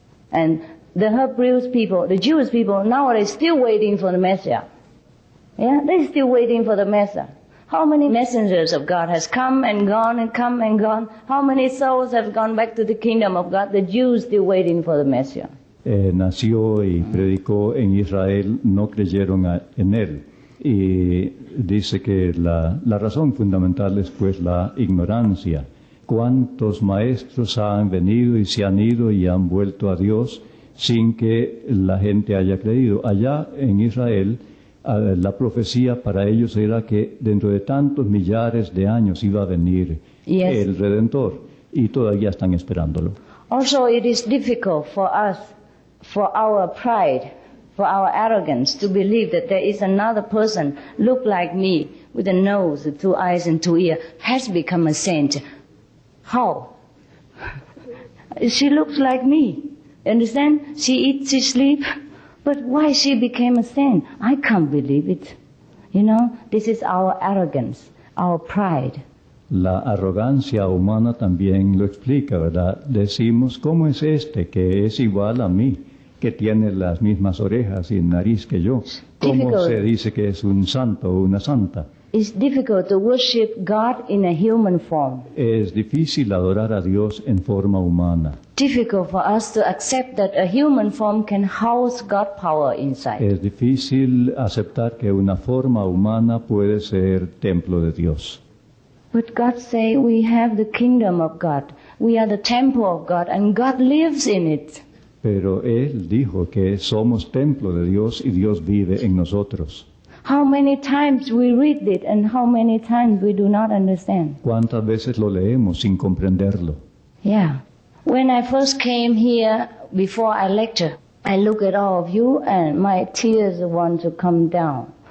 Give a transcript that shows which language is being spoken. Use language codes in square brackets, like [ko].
[en] And the Hebrew people, the Jewish people, now are still waiting for the Messiah. Yeah, they're still waiting for the Messiah. How many messengers of God has come and gone and come and gone? How many souls have gone back to the kingdom of God? The Jews still waiting for the Messiah. [es] Nació y predicó en Israel, no creyeron en él. Y dice que la razón fundamental es pues la ignorancia. ¿Cuántos maestros han venido y se han ido y han vuelto a Dios sin que la gente haya creído? Allá en Israel, la profecía para ellos era que dentro de tantos millares de años iba a venir el Redentor, y todavía están esperándolo. [en] Also, it is difficult for us, for our pride, for our arrogance, to believe that there is another person, look like me, with a nose, two eyes and two ears, has become a saint. How? She looks like me. Understand? She eats, she sleeps. But why she became a saint? I can't believe it. You know, this is our arrogance, our pride. [es] La arrogancia humana también lo explica, ¿verdad? Decimos, ¿cómo es este que es igual a mí, que tiene las mismas orejas y nariz que yo? ¿Cómo se dice que es un santo o una santa? [en] It's difficult to worship God in a human form. [es] Es difícil adorar a Dios en forma humana. [en] Difficult for us to accept that a human form can house God power inside. [es] Es difícil aceptar que una forma humana puede ser templo de Dios. [en] But God say we have the kingdom of God. We are the temple of God and God lives in it. [es] Pero Él dijo que somos templo de Dios y Dios vive en nosotros. [en] How many times we read it and how many times we do not understand. [es] ¿Cuántas veces lo leemos sin comprenderlo? [en] Yeah. When I first came here, before I lecture, I look at all of you and my tears want to come down.